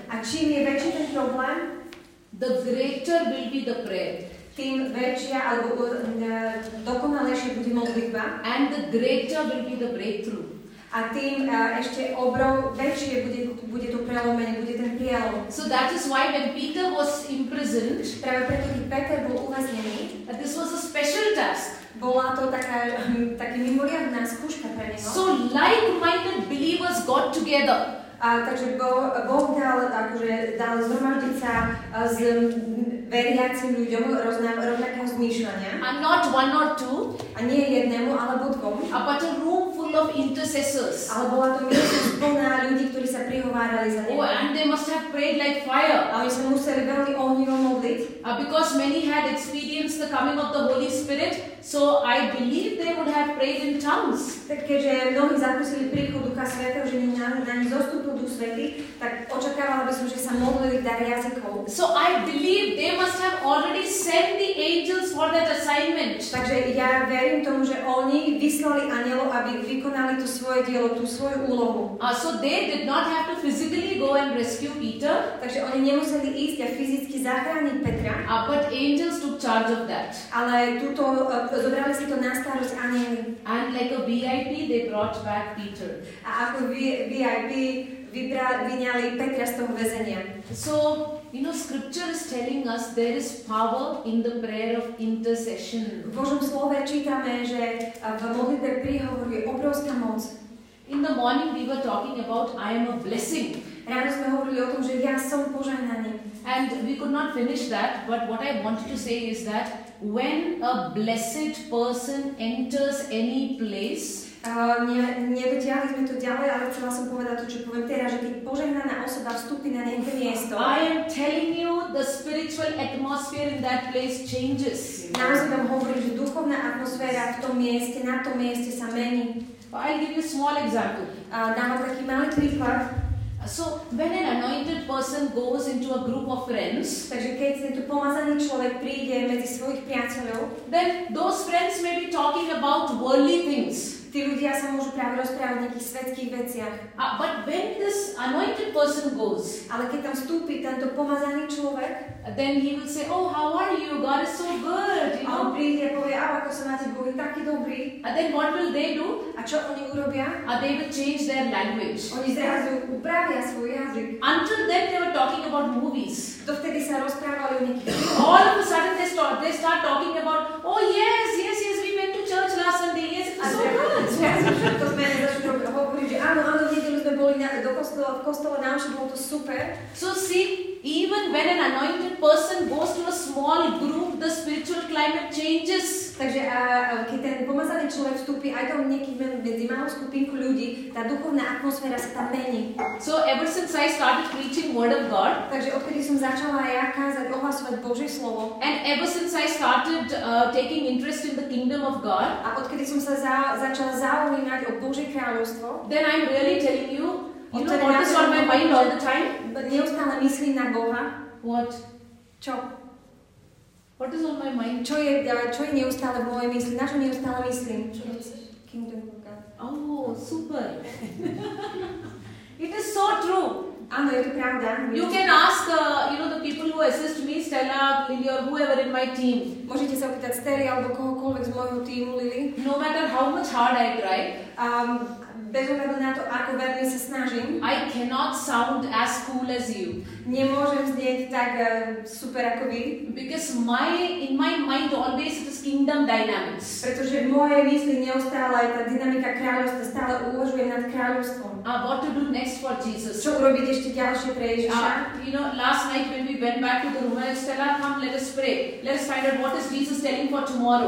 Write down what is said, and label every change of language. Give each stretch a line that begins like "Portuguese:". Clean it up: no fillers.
Slovak: a čím je väčší ten problém,
English: the greater will be the prayer.
Slovak: Tým väčšia alebo dokonalejšie bude modlitba.
English: And the greater will be the breakthrough.
Slovak: A tým ešte väčšie bude to prelomenie, bude ten prielom.
English: So that is why when Peter was imprisoned,
Slovak: práve preto, keď Peter bol uväznený,
English: this was a special task.
Slovak: Bola to taká mimoriadná skúška pre neho.
English: So like-minded believers got together.
Slovak: Takže Boh dal zhromaždiť sa s veriacim ľuďom rovnakého zmýšľania.
English: And not one or two.
Slovak: A nie jednému, ale dvom.
English: But a room full full of intercessors.
Slovak: Ale bola to milosť plná ľudí, ktorí sa prihovárali za neho.
English: Oh, and they must have prayed like fire.
Slovak: A oni sa museli veľmi ohnivo modliť.
English: Because many had experienced the coming of the Holy Spirit, so I believe they would have prayed in tongues.
Slovak: Tak keďže mnohí zakúsili príchod Ducha Svätého, že nie na nich zostúpil Duch Svätý, tak očakávala by som, že sa modlili v dare jazykov.
English: So I believe they must have already sent the angels for that assignment.
Slovak: Takže ja verím tomu, že oni vyslali anielov, aby vykonali to svoje dielo, tú svoju úlohu.
English: So they did not have to physically go and rescue Peter.
Slovak: Takže oni nemuseli ísť a fyzicky zachrániť Petra.
English: But angels took charge of that.
Slovak: Ale túto, zobrali si to na starosť anieli.
English: And like a VIP, they brought back Peter.
Slovak: A ako VIP, vyňali Petra z toho väzenia.
English: So, you know, scripture is telling us there is power in the prayer of intercession.
Slovak: V Božom slove čítame, že v modlitbe príhovoru je obrovská moc.
English: In the morning we were talking about I am a blessing.
Slovak: Ráno sme hovorili o tom, že ja som požehnaný.
English: And we could not finish that, but what I wanted to say is that when a blessed person enters any place,
Slovak: nedotiahli sme to ďalej, ale chcela som povedať to, čo poviem teraz, že keď požehnaná osoba vstúpi na nejaké miesto.
English: I am telling you, the spiritual atmosphere in that place changes.
Slovak: Naozaj vám hovorím, že duchovná atmosféra v tom mieste, na tom mieste sa mení.
English: I'll give you a small example.
Slovak: Dám taký malý príklad.
English: So when an anointed person goes into a group of friends,
Slovak: takže keď tento pomazaný človek príde medzi svojich priateľov,
English: then those friends may be talking about worldly things.
Slovak: Tí ľudia sa môžu práve rozprávať o nejakých svetských veciach.
English: But when this anointed person goes,
Slovak: ale keď tam vstúpi tento pomazaný človek,
English: then he will say, oh, how are you? God is so good.
Slovak: A on príde a povie, ako sa máte, Boh je taký dobrý.
English: And then what will they do?
Slovak: A čo oni urobia?
English: They will change their language.
Slovak: Oni zrazu upravia svoj jazyk.
English: Until then they were talking about movies.
Slovak: Dovtedy sa rozprávali o nejakých filmoch.
English: All of a sudden they start talking about, oh yes, yes, yes, we went to church last Sunday. Yes, it's so good.
Slovak: To sme hovorili, že áno, áno, v nedeľu sme boli do kostola, na učení, bolo to super.
English: So see, even when an anointed person goes to a small group, the spiritual climate changes.
Slovak: Takže keď ten pomazaný človek vstúpi aj tam nejaký medzi malú skupinku ľudí, tá duchovná atmosféra sa tam mení.
English: So ever since I started preaching word of God,
Slovak: takže odkedy som začala ja kázať, ohlasovať Božie slovo,
English: and ever since I started taking interest in the kingdom of God,
Slovak: a odkedy som sa začala zaujímať o Božie kráľovstvo,
English: then I'm really telling you, you know what is on my mind all the time?
Slovak: Neustále myslím na Boha.
English: What?
Slovak: Čo?
English: What is on my mind?
Slovak: Čo je neustále v mojej mysli? Na čo neustále myslím? Čo chceš?
English: Kingdom of God. Oh, super. It is so true.
Slovak: Áno, je to pravda.
English: You can ask, you know, the people who assist me, Stella, Lily, or whoever in my team.
Slovak: Môžete sa opýtať Stella, alebo kohokoľvek z môjho týmu, Lily.
English: No matter how much hard I try.
Slovak: Bez ohľadu na to, ako veľmi sa snažím,
English: I cannot sound as cool as you.
Slovak: Nemôžem znieť tak super ako vy.
English: Because in my mind always it is kingdom dynamics.
Slovak: Pretože v mojej mysli neustále aj tá dynamika kráľovstva, stále uvažuje nad kráľovstvom.
English: What to do next for Jesus?
Slovak: Čo urobiť ešte ďalšie pre Ježiša?
English: You know, last night when we went back to the room, I said, come, let us pray. Let us find out what is Jesus telling for tomorrow.